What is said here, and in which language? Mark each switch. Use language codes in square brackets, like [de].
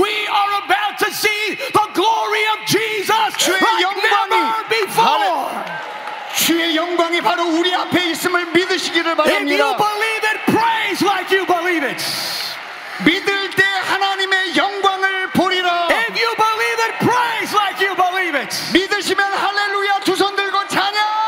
[en] We are about to see the glory of Jesus like never before. [ko] 주의 영광이 바로 우리 앞에 있음을 믿으시기를 바랍니다. [en] If you believe it, praise like you believe it. [ko] 믿을 때 하나님의 영광을 보리라. [en] If you believe it, praise like you believe it. [ko] 믿으시면 할렐루야 두 손 들고 찬양.